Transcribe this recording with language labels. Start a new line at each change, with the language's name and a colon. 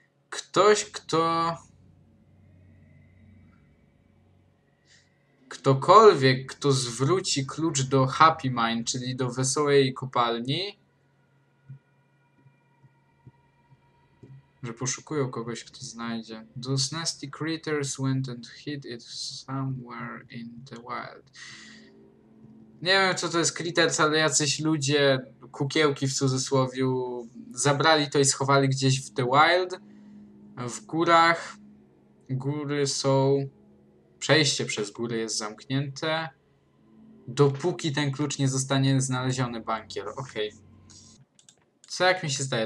Polish: Ktoś, kto. Ktokolwiek, kto zwróci klucz do Happy Mine, czyli do wesołej kopalni. Że poszukują kogoś, kto znajdzie.
English: Those nasty creatures went and hid it somewhere in the wild.
Polish: Nie wiem, co to jest Critters, ale jacyś ludzie, kukiełki w cudzysłowiu, zabrali to i schowali gdzieś w The Wild, w górach. Góry są. Przejście przez góry jest zamknięte. Dopóki ten klucz nie zostanie znaleziony, bankier. Okej. Co jak mi się zdaje?